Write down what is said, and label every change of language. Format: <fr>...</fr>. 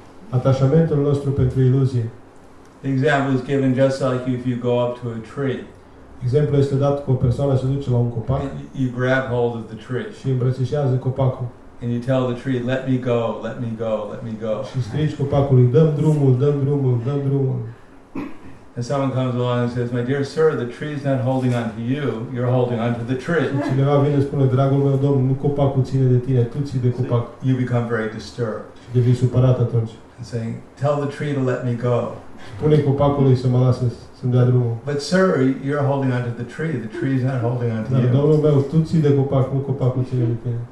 <ro>Atașamentul nostru pentru iluzie.</ro> <en>The example is given just like if you go up to a tree.</en> <ro>Exemplul este dat cu o persoană se duce la un copac.</ro> <en>You grab hold of the tree.</en> <ro>Și îmbrățișează copacul.</ro> <en>And you tell the tree, let me go, let me go, let me go.</en> <ro>Și strigi copacului, dăm drumul, dăm drumul, dăm drumul.</ro> <en>And someone comes along and says, my dear sir, the tree is not holding on to you, you're holding on to the tree.</en> <ro>Și cineva vine și spune, dragul meu, domn, nu copacul ține de tine, tu ții de copac.</ro> <en>So you become very disturbed.</en> <ro>Și devii supărat atunci.</ro> <en>And saying, tell the tree to let me go.</en> <ro>Spune copacului să mă lasă, să-mi dea drumul.</ro> <en>But sir, you're holding on to the tree is not holding on to you.</en> <ro>Dar domnul meu, tu ții de copac, nu copacul ține de tine.</ro>